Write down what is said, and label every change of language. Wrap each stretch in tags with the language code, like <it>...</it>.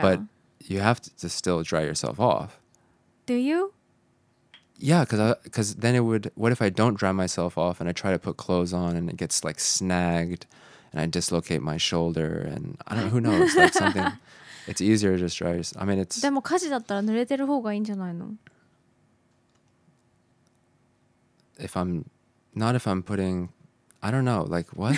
<en>But you have to still dry yourself off. Do you? Yeah, because then it would, what if I don't dry myself off and I try to put clothes on and it gets like snagged and I dislocate my shoulder and I don't know, who knows, like something. It's easier to just dry yourself. I mean, it's...</en> <ja>でも火事だったら濡れてる方がいいんじゃないの?</ja> <en>If I'm, not if I'm putting, I don't know, like what?</en>